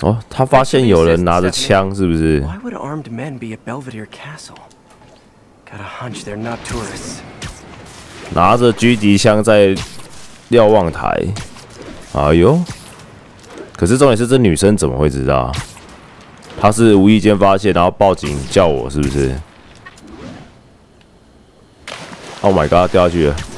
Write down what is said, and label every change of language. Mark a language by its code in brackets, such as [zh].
[zh] 哦，他发现有人拿着枪，是不是？ [en] Why would armed men be at Belvedere Castle? Got a hunch they're not tourists. [zh] 拿着狙击枪在瞭望台，哎呦！可是重点是，这女生怎么会知道？她是无意间发现，然后报警叫我，是不是 ？ [en] Oh my god， [zh] 掉下去了！